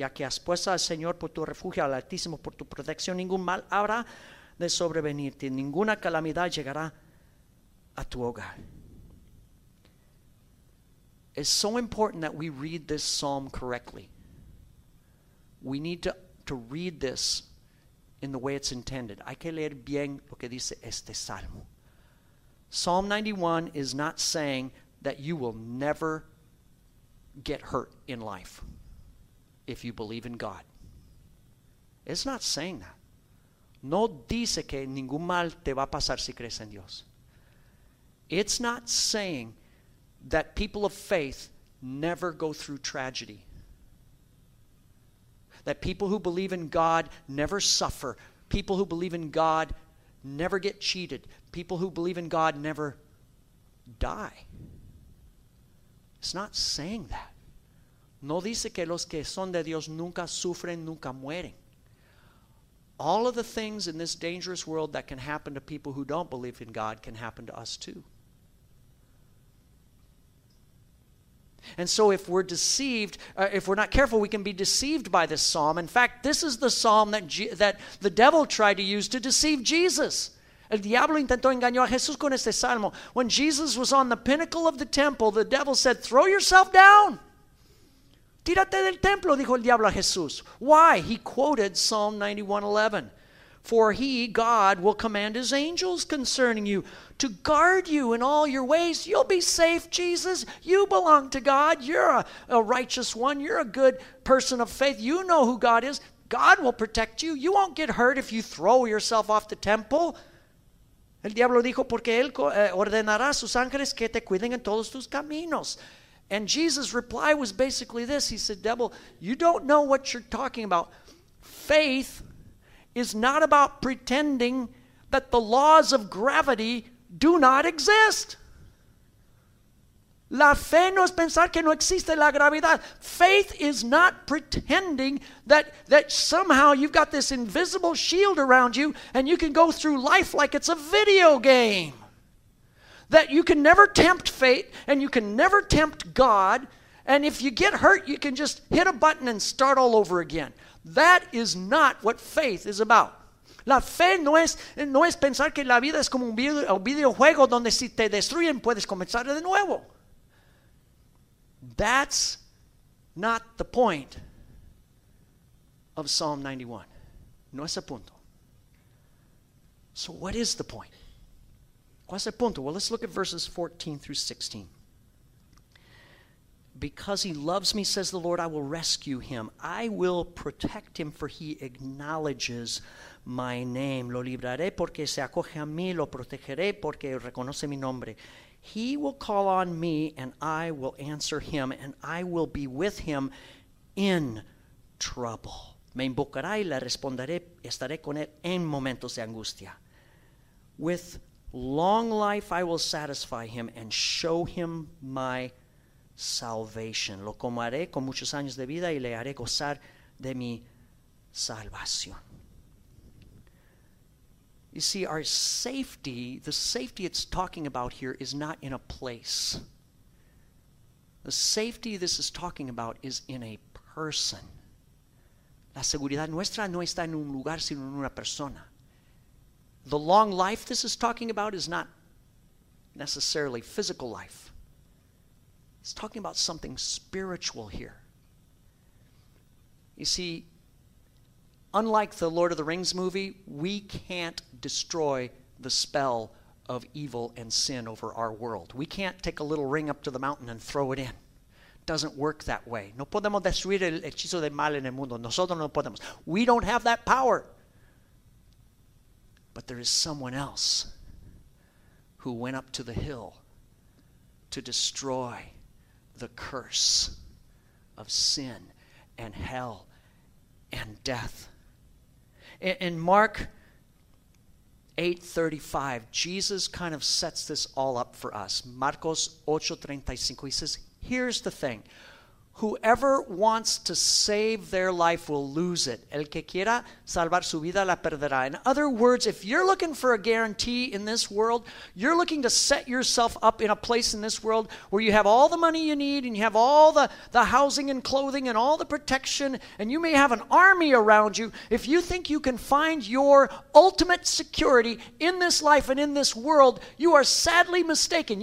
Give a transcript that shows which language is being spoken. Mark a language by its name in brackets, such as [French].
[Spanish] Ya que has puesto al Señor por tu refugio, al Altísimo por tu protección, ningún mal habrá de sobrevenirte, ninguna calamidad llegará a tu hogar. [English] It's so important that we read this psalm correctly. We need to read this in the way it's intended. [Spanish] Hay que leer bien lo que dice este salmo. [English] Psalm 91 is not saying that you will never get hurt in life if you believe in God. It's not saying that. [Spanish] No dice que ningún mal te va a pasar si crees en Dios. [English] It's not saying that people of faith never go through tragedy. That people who believe in God never suffer. People who believe in God never get cheated. People who believe in God never die. It's not saying that. [Spanish] No dice que los que son de Dios nunca sufren, nunca mueren. [English] All of the things in this dangerous world that can happen to people who don't believe in God can happen to us too. And so if we're deceived, if we're not careful, we can be deceived by this psalm. In fact, this is the psalm that that the devil tried to use to deceive Jesus. [Spanish] El diablo intentó engañar a Jesús con este salmo. [English] When Jesus was on the pinnacle of the temple, the devil said, "Throw yourself down. [Spanish] Tírate del templo," dijo el diablo a Jesús. [English] Why? He quoted Psalm 91:11. "For he," God, "will command his angels concerning you to guard you in all your ways." You'll be safe, Jesus. You belong to God. You're a righteous one. You're a good person of faith. You know who God is. God will protect you. You won't get hurt if you throw yourself off the temple. [Spanish] El diablo dijo, "Porque él ordenará a sus ángeles que te cuiden en todos tus caminos." [English] And Jesus' reply was basically this. He said, "Devil, you don't know what you're talking about. Faith is not about pretending that the laws of gravity do not exist." [Spanish] La fe no es pensar que no existe la gravedad. [English] Faith is not pretending that somehow you've got this invisible shield around you and you can go through life like it's a video game. That you can never tempt fate and you can never tempt God. And if you get hurt, you can just hit a button and start all over again. That is not what faith is about. [Spanish] La fe no es pensar que la vida es como un videojuego donde si te destruyen puedes comenzar de nuevo. [English] That's not the point of Psalm 91. [Spanish] No es el punto. [English] So what is the point? [Spanish] ¿Cuál es el punto? [English] Well, let's look at verses 14 through 16. "Because he loves me, says the Lord, I will rescue him. I will protect him, for he acknowledges my name. [Spanish] Lo libraré porque se acoge a mí, lo protegeré porque reconoce mi nombre. [English] He will call on me, and I will answer him, and I will be with him in trouble. [Spanish] Me invocará y le responderé, estaré con él en momentos de angustia. [English] With long life I will satisfy him and show him my salvation. [Spanish] Lo comeré con muchos años de vida y le haré gozar de mi salvación." [English] You see, our safety, the safety it's talking about here is not in a place. The safety this is talking about is in a person. [Spanish] La seguridad nuestra no está en un lugar, sino en una persona. [English] The long life this is talking about is not necessarily physical life. It's talking about something spiritual here. You see, unlike the Lord of the Rings movie, we can't destroy the spell of evil and sin over our world. We can't take a little ring up to the mountain and throw it in. It doesn't work that way. [Spanish] No podemos destruir el hechizo de mal en el mundo. Nosotros no podemos. [English] We don't have that power. But there is someone else who went up to the hill to destroy the curse of sin and hell and death. In Mark 8:35, Jesus kind of sets this all up for us. [Spanish] Marcos 8:35, [English] he says, "Here's the thing. Whoever wants to save their life will lose it. [Spanish] El que quiera salvar su vida la perderá." [English] In other words, if you're looking for a guarantee in this world, you're looking to set yourself up in a place in this world where you have all the money you need and you have all the housing and clothing and all the protection and you may have an army around you. If you think you can find your ultimate security in this life and in this world, you are sadly mistaken.